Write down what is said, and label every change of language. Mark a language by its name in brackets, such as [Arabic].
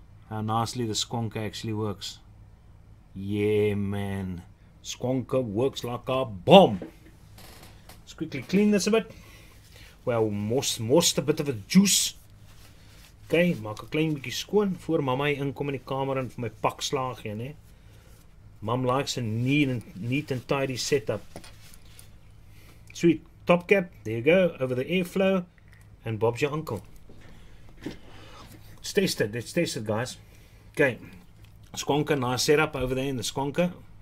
[English] How nicely the squonker actually works. Yeah, man. Squonker works like a bomb. Let's quickly clean this a bit. well, most a bit of a juice. [Afrikaans] Okay, maak 'n klein bietjie skoon voor mamma inkom in die kamer en vir my pak slaag gee, né? [English] Mom likes a neat and tidy setup. Sweet, top cap, there you go, over the airflow, and Bob's your uncle. Let's test it, guys. Okay, Squonker, nice setup over there in the Squonker.